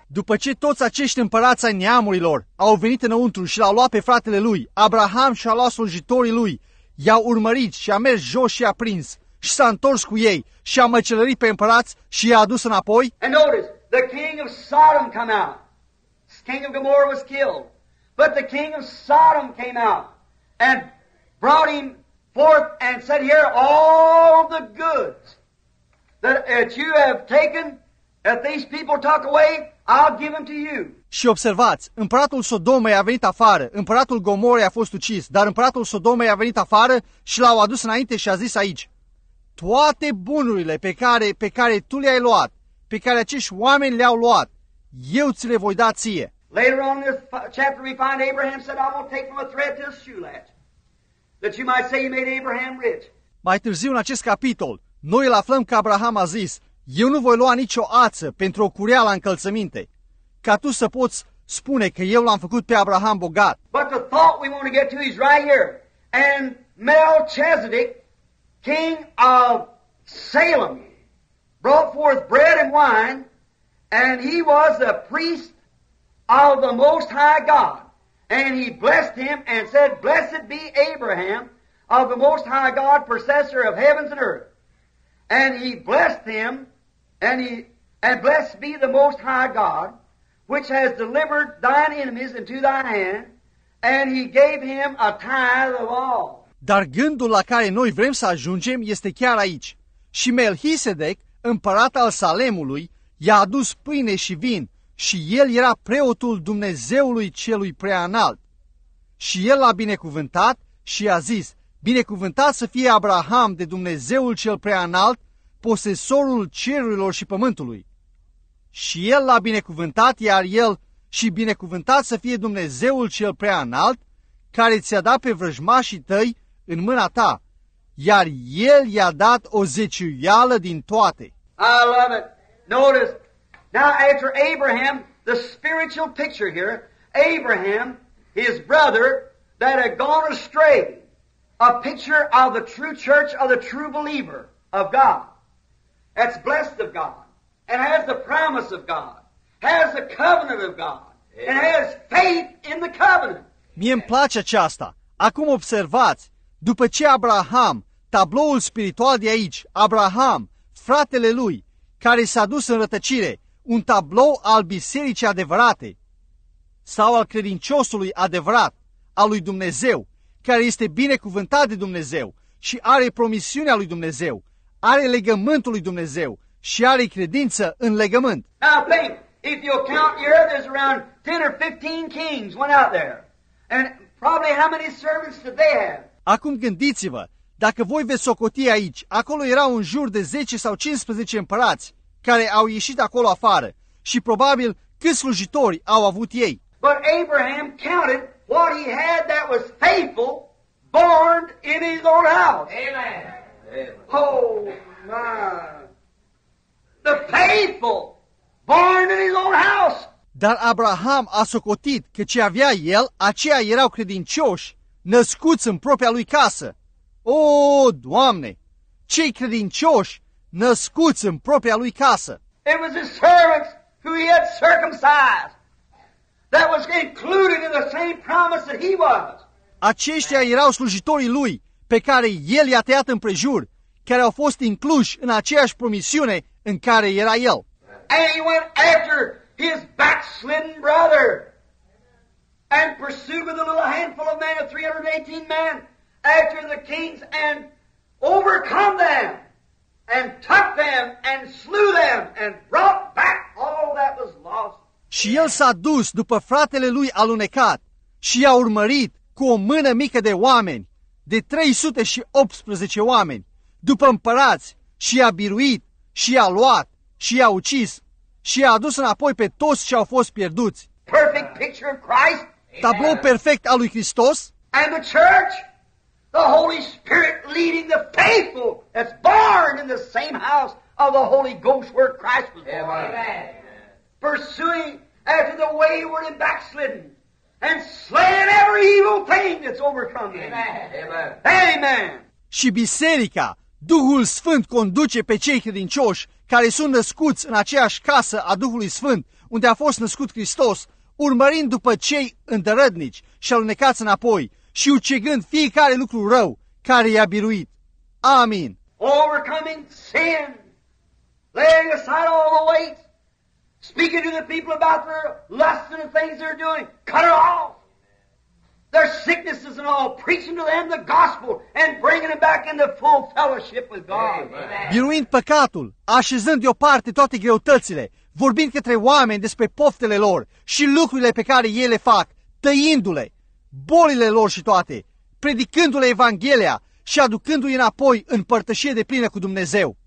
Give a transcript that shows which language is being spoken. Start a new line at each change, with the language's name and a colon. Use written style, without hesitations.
Romanian: După ce toți acești împărați ai neamurilor au venit înăuntru și l-au luat pe fratele lui, Abraham și-a luat slujitorii lui, i-au urmărit și a mers jos și a prins. Și s-a întors cu ei și a măcelărit pe împărați și i-a adus înapoi.
English: And notice, the king of Sodom came out. The king of Gomorrah was killed. But the king of Sodom came out and brought him forth and said, here are all the goods that you have taken, that these people took away, I'll give them to you.
Romanian: Și observați, împăratul Sodomei a venit afară, împăratul Gomorrei a fost ucis, dar împăratul Sodomei a venit afară și l-au adus înainte și a zis aici, toate bunurile pe care tu le-ai luat, pe care acești oameni le-au luat, eu ți le voi da ție.
English: Later on in this chapter we find Abraham said, I will take from a thread to a shoe latch, that you might say you made Abraham rich.
Romanian: Mai târziu în acest capitol, noi îl aflăm că Abraham a zis, eu nu voi lua nicio ață pentru o curea la încălțăminte, ca tu să poți spune că eu l-am făcut pe Abraham bogat.
English: But the thought we want to get to is right here. And Melchizedek, king of Salem, brought forth bread and wine, and he was the priest of the Most High God. And he blessed him and said, blessed be Abraham of the Most High God, possessor of heavens and earth. And he blessed him, and blessed be the Most High God, which has delivered thine enemies into thy hand, and he gave him a tithe of all.
Romanian: Dar gândul la care noi vrem să ajungem este chiar aici. Și Melchisedec, împărat al Salemului, i-a adus pâine și vin, și el era preotul Dumnezeului celui prea înalt. Și el l-a binecuvântat și i-a zis, binecuvântat să fie Abraham de Dumnezeul cel prea înalt, posesorul cerurilor și pământului. Și el l-a binecuvântat, iar el și binecuvântat să fie Dumnezeul cel prea înalt, care ți-a dat pe vrăjmașii tăi în mâna ta, iar el i-a dat o zeciuială din toate.
English: I love it. Notice, now after Abraham, the spiritual picture here, Abraham, his brother, that had gone astray, a picture of the true church of the true believer of God, that's blessed of God, and has the promise of God, has the covenant of God, and has faith in the covenant.
Romanian: Mie îmi place aceasta. Acum observați, după ce Abraham, tabloul spiritual de aici, Abraham, fratele lui, care s-a dus în rătăcire, un tablou al bisericii adevărate, sau al credinciosului adevărat, al lui Dumnezeu, care este binecuvântat de Dumnezeu și are promisiunea lui Dumnezeu, are legământul lui Dumnezeu și are credință în legământ.
English: Now think, if you count here, there's around 10 or 15 kings went out there. And probably how many servants did they have?
Romanian: Acum gândiți-vă, dacă voi veți socoti aici, acolo erau în jur de 10 sau 15 împărați care au ieșit acolo afară și probabil câți slujitori au avut ei.
English: But Abraham counted what he had that was faithful, born in his own house. Amen. Amen. Oh my. The faithful, born in his own house.
Romanian: Dar Abraham a socotit că ce avea el, aceia erau credincioși, născuți în propria lui casă. O, Doamne, cei credincioși, născuți în propria lui casă.
English: It was his servants who he had circumcised that was included in the same promise that he was.
Romanian: Aceștia erau slujitorii lui, pe care el i-a tăiat împrejur, care au fost incluși în aceeași promisiune în care era el.
English: And he went after his backslidden brother and pursued with a little handful of men, 318 men, after the kings and overcome them and took them and slew them and brought back all that was lost.
Romanian: Și el s-a dus după fratele lui alunecat și i-a urmărit cu o mână mică de oameni, de 318 oameni, după împărați, și i-a biruit, și i-a luat, și i-a ucis, și i-a adus înapoi pe toți ce au fost pierduți.
English: Perfect picture of Christ.
Romanian: Tablou perfect al lui Hristos.
English: And the church, the Holy Spirit leading the faithful that's born in the same house of the Holy Ghost where Christ was born. Amen. Pursuing after the wayward and backslidden and slaying every evil thing that's overcome them. Amen. Amen.
Romanian: Și biserica, Duhul Sfânt conduce pe cei credincioși care sunt născuți în aceeași casă a Duhului Sfânt unde a fost născut Hristos, urmărind după cei îndărădnici și alunecați înapoi și ucigând fiecare lucru rău care i-a biruit. Amin.
English: Overcoming sin, laying aside all the weight, speaking to the people about their lusts and things they're doing, cut it off. Their sicknesses and all, preaching to them the gospel and bringing them back into full fellowship with God.
Romanian: Biruind păcatul, așezând deoparte toate greutățile, vorbind către oameni despre poftele lor și lucrurile pe care ei le fac, tăindu-le, bolile lor și toate, predicându-le Evanghelia și aducându-i înapoi în părtășie de plină cu Dumnezeu.